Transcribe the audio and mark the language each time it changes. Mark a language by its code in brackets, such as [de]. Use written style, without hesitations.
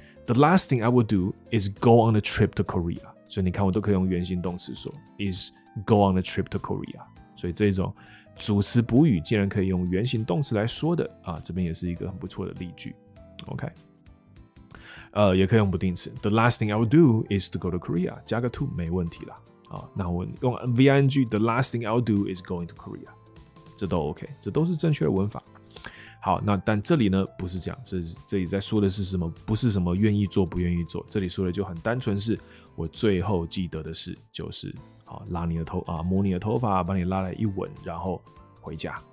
[en] The last thing I would do is go on a trip to Korea. [zh] 所以你看我都可以用原形动词说 [en] is go on a trip to Korea. [zh] 所以这种主词补语竟然可以用原形动词来说的、啊、这边也是一个很不错的例句。 OK、也可以用不定词。 [en] The last thing I would do is to go to Korea. [zh] 加个 to 没问题啦、啊。那我用 [en] VING, the last thing I would do is going to Korea. [zh] 这都 OK, 这都是正确的文法。好，那但这里呢不是这样，这里在说的是什么？不是什么愿意做不愿意做，这里说的就很单纯，是我最后记得的事，就是好拉你的头啊，摸你的头发，把你拉来一吻，然后回家。